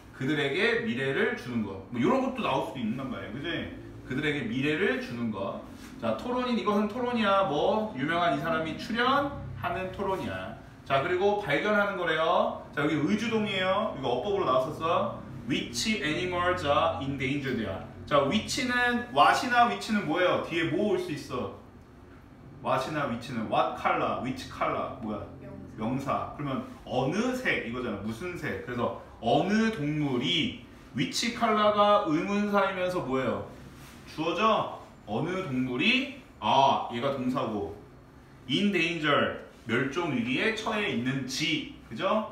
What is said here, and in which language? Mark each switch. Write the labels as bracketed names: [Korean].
[Korean] 그들에게 미래를 주는 거. 뭐 이런 것도 나올 수도 있는단 말이에요, 그치? 그들에게 미래를 주는 거. 자, 토론인, 이것은 토론이야. 뭐, 유명한 이 사람이 출연하는 토론이야. 자, 그리고 발견하는 거래요. 자, 여기 의주동이에요. 이거 어법으로 나왔었어. [English] Which animals are endangered? [Korean] 자, which는, what이나 which는 뭐예요? 뒤에 뭐 올 수 있어? what이나 which는, what color, which color, 뭐야? 명사. 그러면 어느 색, 이거잖아. 무슨 색. 그래서 어느 동물이, which color가 의문사이면서 뭐예요? 주어져? 어느 동물이, 아, 얘가 동사고, in danger, 멸종 위기에 처해 있는지, 그죠?